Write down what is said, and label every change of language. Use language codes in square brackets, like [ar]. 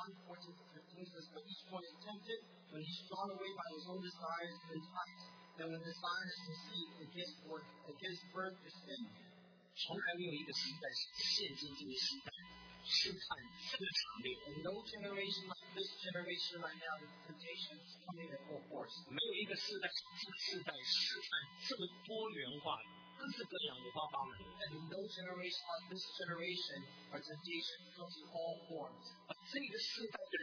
[en] 1:14-15 says, but each one is tempted when he is drawn away by his own desires and enticed. Then when the desire is conceived, it gives birth, to sin. [zh] 从来没有一个时代是现今这个时代试探这么强烈。 [en] And no generation like this generation right now, the temptation is coming in full force. [zh] 没有一个时代像这个时代试探这么多元化的。 [en] And in no generation like this generation, our temptation comes in all forms.